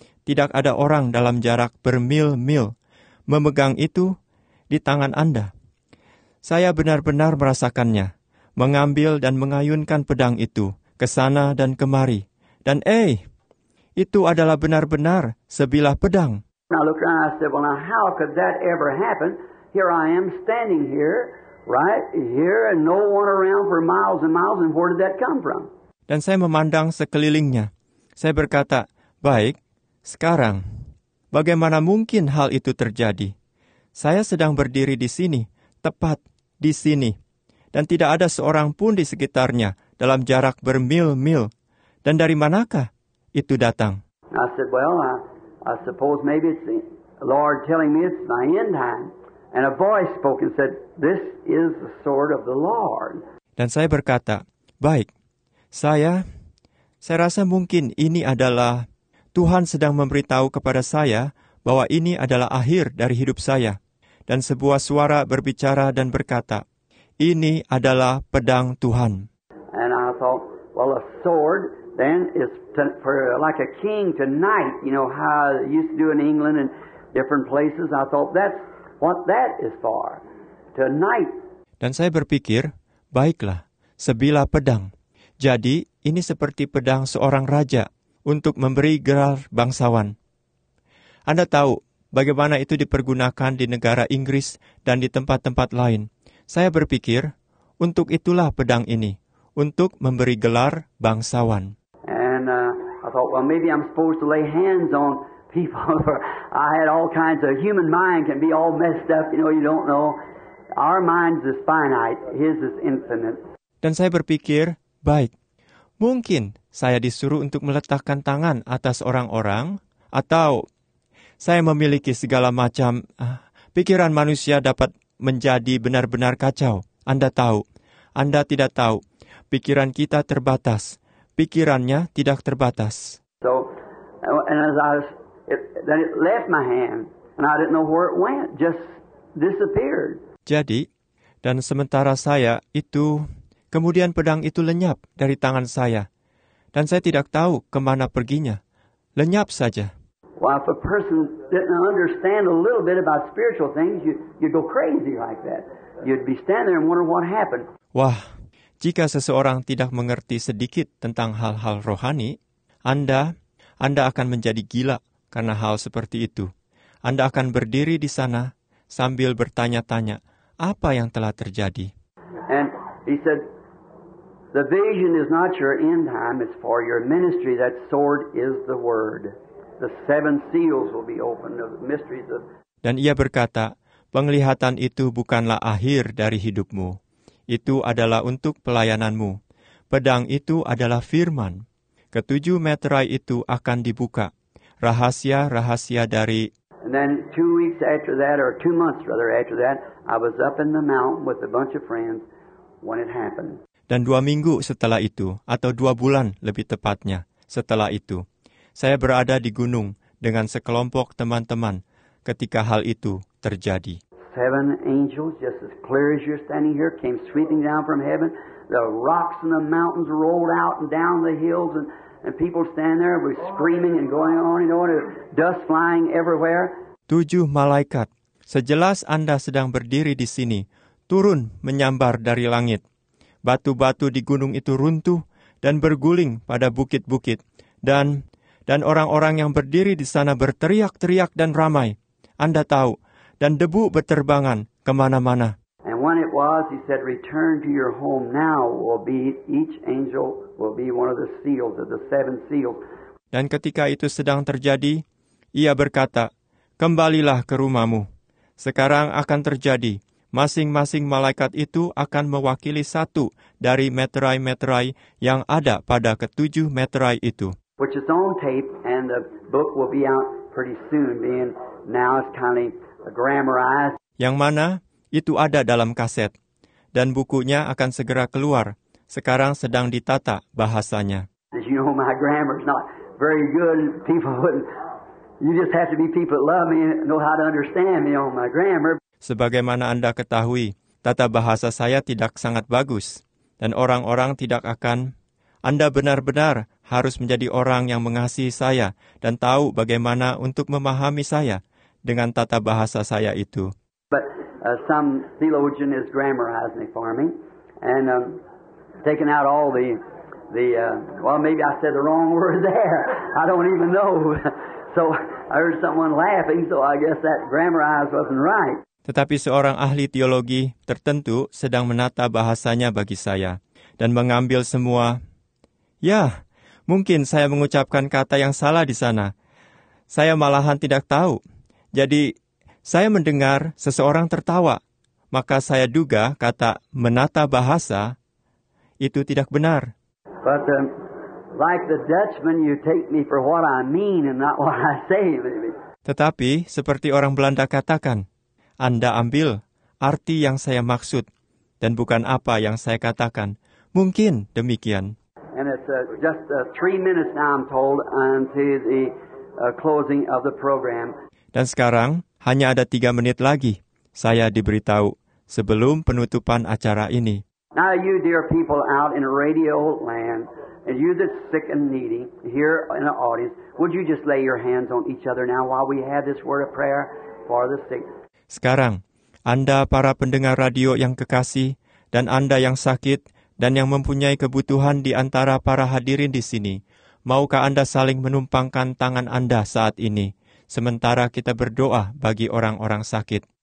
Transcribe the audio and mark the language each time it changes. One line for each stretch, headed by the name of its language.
Indonesian: Tidak ada orang dalam jarak bermil-mil memegang itu di tangan Anda. Saya benar-benar merasakannya, mengambil dan mengayunkan pedang itu ke sana dan kemari. Dan itu adalah benar-benar sebilah pedang.
English: I looked around and I said, well, now how could that ever happen? Here I am standing here, right here, and no one around for miles and miles, and where did that come from?
Indonesian: Dan saya memandang sekelilingnya. Saya berkata, baik, sekarang, bagaimana mungkin hal itu terjadi? Saya sedang berdiri di sini, tepat di sini, dan tidak ada seorang pun di sekitarnya dalam jarak bermil-mil. Dan dari manakah itu datang?
English: I said, well, I suppose maybe it's the Lord telling me it's my end time. And a voice spoke and said, this is the sword of the Lord.
Indonesian: Dan saya berkata, baik, saya rasa mungkin ini adalah Tuhan sedang memberitahu kepada saya bahwa ini adalah akhir dari hidup saya. Dan sebuah suara berbicara dan berkata, ini adalah pedang Tuhan.
English: And I thought, well, a sword then is for like a king to knight, you know, how they used to do in England and different places. I thought, that's what that is for, to knight.
Indonesian: Dan saya berpikir, baiklah, sebilah pedang. Jadi, ini seperti pedang seorang raja untuk memberi gelar bangsawan. Anda tahu bagaimana itu dipergunakan di negara Inggris dan di tempat-tempat lain. Saya berpikir, untuk itulah pedang ini, untuk memberi gelar bangsawan.
English: And I thought, well, maybe I'm supposed to lay hands on people. I had all kinds of human mind can be all messed up, you know, you don't know. Our minds is finite, his is infinite.
Indonesian: Dan saya berpikir, baik, mungkin saya disuruh untuk meletakkan tangan atas orang-orang, atau saya memiliki segala macam pikiran manusia dapat menjadi benar-benar kacau. Anda tahu, Anda tidak tahu, pikiran kita terbatas. Pikirannya tidak terbatas.
English: So, and as I was, then it left my hand, and I didn't know where it went, just disappeared.
Indonesian: Jadi, dan sementara saya itu, kemudian pedang itu lenyap dari tangan saya, dan saya tidak tahu kemana perginya, lenyap saja.
English: Well, if a person didn't understand a little bit about spiritual things, you'd go crazy like that. You'd be standing there and wondering what happened. Wah.
Indonesian: Jika seseorang tidak mengerti sedikit tentang hal-hal rohani, Anda akan menjadi gila karena hal seperti itu. Anda akan berdiri di sana sambil bertanya-tanya, apa yang telah terjadi?
English: And he said, the vision is not your end time, it's for your ministry. That sword is the word. The seven seals will be opened of the mysteries of...
Indonesian: Dan ia berkata, penglihatan itu bukanlah akhir dari hidupmu. Itu adalah untuk pelayananmu. Pedang itu adalah firman. Ketujuh meterai itu akan dibuka. Rahasia-rahasia dari...
English: And then 2 weeks after that, or 2 months rather after that, I was up in the mountain with a bunch of friends when it happened.
Indonesian: Dan 2 minggu setelah itu, atau 2 bulan lebih tepatnya, setelah itu, saya berada di gunung dengan sekelompok teman-teman ketika hal itu terjadi.
English: Seven angels, just as clear as you're standing here, came sweeping down from heaven. The rocks and the mountains rolled out and down the hills, and people stand there were screaming and going on and on, dust flying everywhere.
Indonesian: 7 malaikat, sejelas Anda sedang berdiri di sini, turun menyambar dari langit. Batu-batu di gunung itu runtuh dan berguling pada bukit-bukit, dan orang-orang yang berdiri di sana berteriak-teriak dan ramai. Anda tahu. Dan debu berterbangan kemana-mana.
English: And when it was, he said, return to your home now. Will be, each angel will be one of the seals, of the seven seals.
Indonesian: Dan ketika itu sedang terjadi, ia berkata, "Kembalilah ke rumahmu. Sekarang akan terjadi, masing-masing malaikat itu akan mewakili satu dari meterai-meterai yang ada pada ketujuh meterai itu."
English: Which is on tape, and the book will be out pretty soon, being now it's kind of grammarized.
Indonesian: Yang mana itu ada dalam kaset, dan bukunya akan segera keluar. Sekarang sedang ditata bahasanya.
English: As you know, my grammar is not very good. You just have to be people that love me and know how to understand me on my grammar.
Indonesian: Sebagaimana Anda ketahui, tata bahasa saya tidak sangat bagus, dan orang-orang tidak akan. Anda benar-benar harus menjadi orang yang mengasihi saya dan tahu bagaimana untuk memahami saya dengan tata bahasa saya itu.
English: But some theologian is grammarizing it for me and taking out all maybe I said the wrong word there. I don't even know. So I heard someone laughing, so I guess that grammarized wasn't right.
Indonesian: Tetapi seorang ahli teologi tertentu sedang menata bahasanya bagi saya dan mengambil semua. Ya, mungkin saya mengucapkan kata yang salah di sana. Saya malahan tidak tahu. Jadi, saya mendengar seseorang tertawa. Maka saya duga kata menata bahasa itu tidak benar.
English: But like the Dutchman, you take me for what I mean and not what I say.
Indonesian: Tetapi, seperti orang Belanda katakan, Anda ambil arti yang saya maksud dan bukan apa yang saya katakan. Mungkin demikian.
English: And it's just 3 minutes now, I'm told, until the closing of the program.
Indonesian: Dan sekarang hanya ada 3 menit lagi, saya diberitahu, sebelum penutupan acara ini.
English: Now you dear people out in radio land, and you that's sick and needy here in the audience, would you just lay your hands on each other now while we have this word of prayer for the sick?
Indonesian: Sekarang, Anda para pendengar radio yang kekasih, dan Anda yang sakit, dan yang mempunyai kebutuhan di antara para hadirin di sini, maukah Anda saling menumpangkan tangan Anda saat ini, sementara kita berdoa bagi orang-orang sakit?